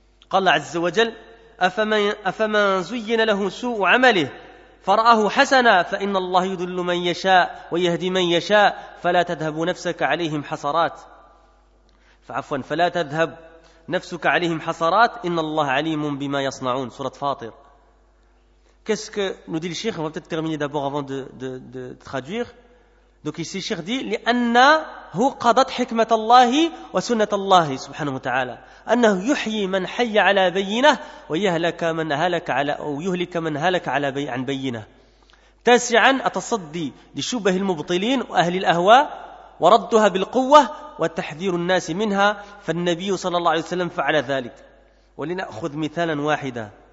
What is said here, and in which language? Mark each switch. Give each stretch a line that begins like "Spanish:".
Arabic: قال عز وجل أفمن زين له سوء عمله فرآه حسنا فإن الله يضل من يشاء ويهدي من يشاء فلا تذهب نفسك عليهم حسرات. فعفوا, فلا تذهب نفسك عليهم حسرات إن الله عليم بما يصنعون. سورة فاطر.
French: Qu'est-ce que nous dit le Cheikh? On va peut-être terminer d'abord avant de traduire. Donc ici le Cheikh dit
Arabic: لأنه قضت حكمة الله وسنة الله سبحانه وتعالى أنه يحيي من حي على بينه ويهلك من هلك على أو يهلك من هلك على عن بينه. تاسعا التصدي لشبه المبطلين وأهل الأهواء وردها بالقوة وتحذير الناس منها, فالنبي صلى الله عليه وسلم فعل ذلك. ولنأخذ مثالا واحدا.